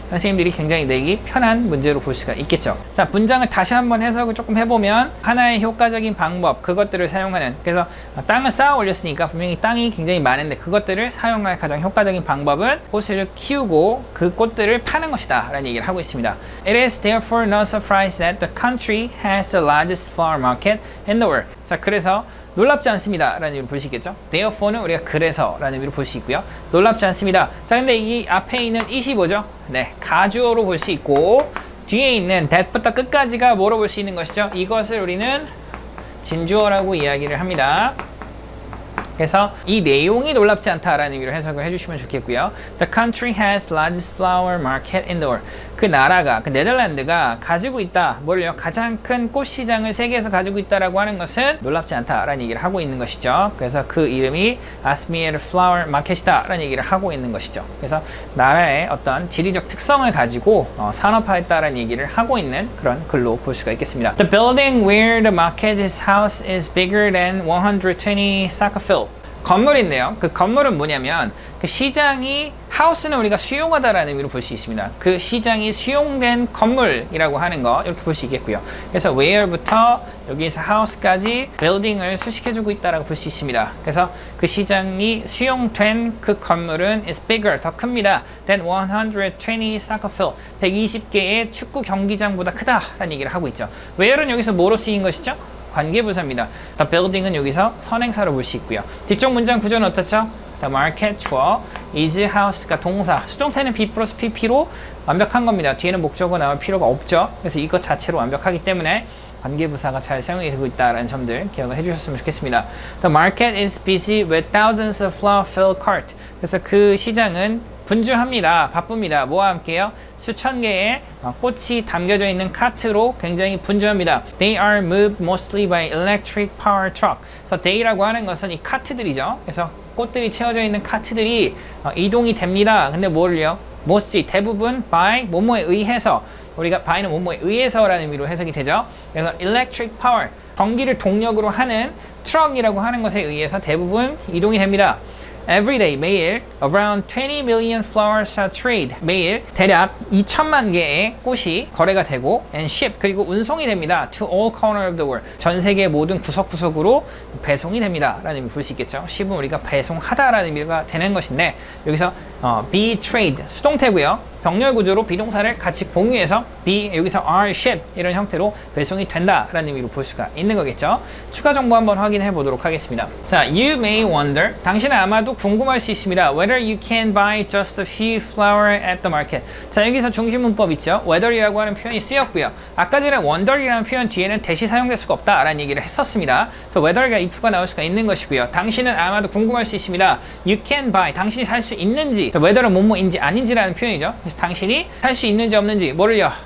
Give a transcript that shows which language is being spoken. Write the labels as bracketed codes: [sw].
[ko] 선생님들이 굉장히 내기 편한 문제로 볼 수가 있겠죠. 자, 문장을 다시 한번 해석을 조금 해보면 하나의 효과적인 방법, 그것들을 사용하는, 그래서 땅을 쌓아 올렸으니까 분명히 땅이 굉장히 많은데 그것들을 사용할 가장 효과적인 방법은 꽃을 키우고 그 꽃들을 파는 것이다 라는 얘기를 하고 있습니다. [en] It is therefore no surprise that the country has the largest flower market in the world. [ko] 자, 그래서 놀랍지 않습니다 라는 의미로 볼 수 있겠죠. therefore는 우리가 그래서 라는 의미로 볼 수 있고요. 놀랍지 않습니다. 자, 근데 이 앞에 있는 it이 뭐죠? 네, 가주어로 볼 수 있고 뒤에 있는 that부터 끝까지가 뭐로 볼 수 있는 것이죠? 이것을 우리는 진주어라고 이야기를 합니다. 그래서 이 내용이 놀랍지 않다라는 의미로 해석을 해주시면 좋겠고요. [en] The country has largest flower market in the world. [ko] 그 나라가, 그 네덜란드가 가지고 있다. 뭘요? 가장 큰 꽃시장을 세계에서 가지고 있다라고 하는 것은 놀랍지 않다라는 얘기를 하고 있는 것이죠. 그래서 그 이름이 Asmere Flower Market이다라는 얘기를 하고 있는 것이죠. 그래서 나라의 어떤 지리적 특성을 가지고 산업화했다라는 얘기를 하고 있는 그런 글로 볼 수가 있겠습니다. [en] The building where the market is housed is bigger than 120 soccer field. [ko] 건물인데요. 그 건물은 뭐냐면 그 시장이 하우스는 우리가 수용하다라는 의미로 볼 수 있습니다. 그 시장이 수용된 건물이라고 하는 거 이렇게 볼 수 있겠고요. 그래서 where부터 여기에서 house까지 building을 수식해주고 있다라고 볼 수 있습니다. 그래서 그 시장이 수용된 그 건물은 [en] is bigger, [ko] 더 큽니다. [en] than 120 soccer field, [ko] 120개의 축구 경기장보다 크다라는 얘기를 하고 있죠. where은 여기서 뭐로 쓰인 것이죠? 관계부사입니다. The building은 여기서 선행사로 볼 수 있고요. 뒤쪽 문장 구조는 어떻죠? [en] The market tour is house [ko] 가 동사. 수동태는 be plus pp로 완벽한 겁니다. 뒤에는 목적어 나올 필요가 없죠. 그래서 이거 자체로 완벽하기 때문에 관계부사가 잘 사용되고 있다는 점들 기억을 해주셨으면 좋겠습니다. [en] The market is busy with thousands of flower filled cart. [ko] 그래서 그 시장은 분주합니다. 바쁩니다. 뭐와 함께요? 수천 개의 꽃이 담겨져 있는 카트로 굉장히 분주합니다. [en] They are moved mostly by electric power truck. [ko] So they라고 하는 것은 이 카트들이죠. 그래서 꽃들이 채워져 있는 카트들이 이동이 됩니다. 근데 뭐를요? Mostly, 대부분 by 뭐뭐에 의해서. 우리가 by는 뭐뭐에 의해서라는 의미로 해석이 되죠. 그래서 electric power, 전기를 동력으로 하는 트럭이라고 하는 것에 의해서 대부분 이동이 됩니다. [en] Every day, 매일, around 20 million flowers are traded. [ko] 매일, 대략 2천만 개의 꽃이 거래가 되고, [en] and ship, [ko] 그리고 운송이 됩니다. [en] To all corners of the world. [ko] 전 세계 모든 구석구석으로 배송이 됩니다. 라는 의미 볼 수 있겠죠. ship은 우리가 배송하다라는 의미가 되는 것인데, 여기서 be trade, 수동태고요. 병렬 구조로 비동사를 같이 공유해서 be, 여기서 are, ship, 이런 형태로 배송이 된다라는 의미로 볼 수가 있는 거겠죠. 추가 정보 한번 확인해 보도록 하겠습니다. 자, [en] you may wonder, [ko] 당신은 아마도 궁금할 수 있습니다. [en] Whether you can buy just a few flowers at the market. [ko] 자, 여기서 중심문법 있죠. whether이라고 하는 표현이 쓰였고요. 아까 전에 wonder이라는 표현 뒤에는 대시 사용될 수가 없다라는 얘기를 했었습니다. 그래서 whether가 if가 나올 수가 있는 것이고요. 당신은 아마도 궁금할 수 있습니다. [en] You can buy, [ko] 당신이 살 수 있는지. 자, whether은 뭐뭐인지 아닌지라는 표현이죠. 그래서 당신이 살 수 있는지 없는지 뭐를요?